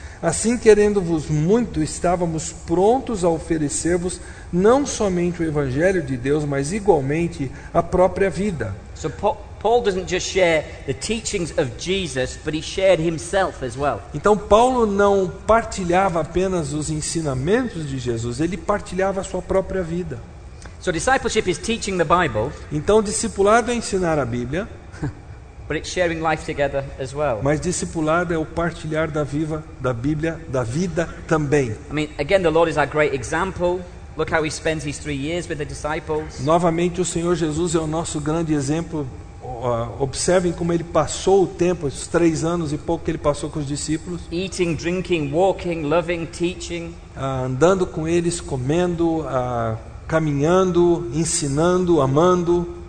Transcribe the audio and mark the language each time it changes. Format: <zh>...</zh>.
<pt>Assim, querendo-vos muito, estávamos prontos a oferecer-vos não somente o Evangelho de Deus, mas igualmente a própria vida.</pt> <en>So Paul doesn't just share the teachings of Jesus, but he shared himself as well.</en> <pt>Então Paulo não partilhava apenas os ensinamentos de Jesus, ele partilhava a sua própria vida.</pt> <en>So discipleship is teaching the Bible.</en> <pt>Então discipulado é ensinar a Bíblia.</pt> <en>But it's sharing life together as well.</en> <pt>Mas discipulado é o partilhar da Bíblia, da vida também.</pt> <en>I mean, again, the Lord is our great example. Look how he spends his 3 years with the disciples.</en> <pt>Novamente o Senhor Jesus é o nosso grande exemplo. Observem como ele passou o tempo, esses 3 anos e pouco que ele passou com os discípulos.</pt> <en>Eating, drinking, walking, loving, teaching.</en> <pt>Andando com eles, comendo, caminhando, ensinando, amando.</pt>